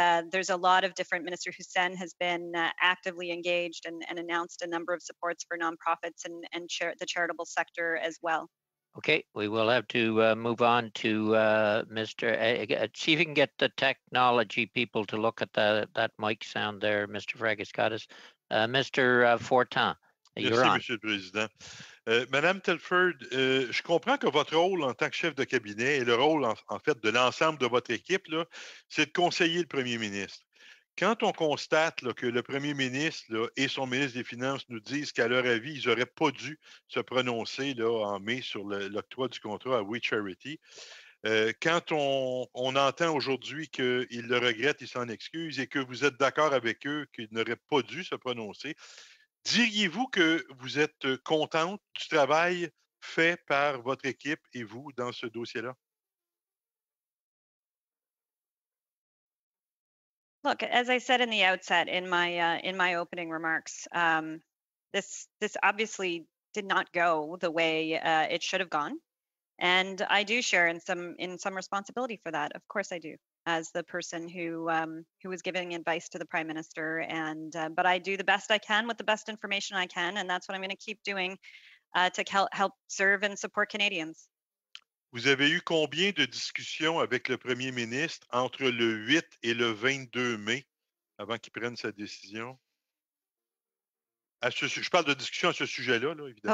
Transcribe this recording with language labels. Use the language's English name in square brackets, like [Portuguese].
[English] There's a lot of different, Minister Hussein has been actively engaged and announced a number of supports for nonprofits and the charitable sector as well. Okay, we will have to move on to Mr. See if you can get the technology people to look at that mic sound there, Mr. Fragascottis. Mr. Fortin, you're [French] on. Monsieur le Président. Madame Telford, je comprends que votre rôle en tant que chef de cabinet et le rôle, en fait, de l'ensemble de votre équipe, là, c'est de conseiller le premier ministre. Quand on constate là, que le premier ministre là, et son ministre des Finances nous disent qu'à leur avis, ils n'auraient pas dû se prononcer là, en mai sur l'octroi du contrat à We Charity, quand on entend aujourd'hui qu'ils le regrettent, ils s'en excusent et que vous êtes d'accord avec eux qu'ils n'auraient pas dû se prononcer, Diriez-vous que vous êtes contente du travail fait par votre équipe et vous dans ce dossier-là? [English] Look, as I said in the outset, in my opening remarks, this obviously did not go the way it should have gone, and I do share in some responsibility for that. Of course, I do, as the person who was giving advice to the Prime Minister, but I do the best I can with the best information I can, and that's what I'm going to keep doing to help serve and support Canadians. [French] Vous avez eu combien de discussions avec le Premier ministre entre le 8 et le 22 mai avant qu'il prenne sa décision? Je parle de discussions à ce sujet-là, là, évidemment.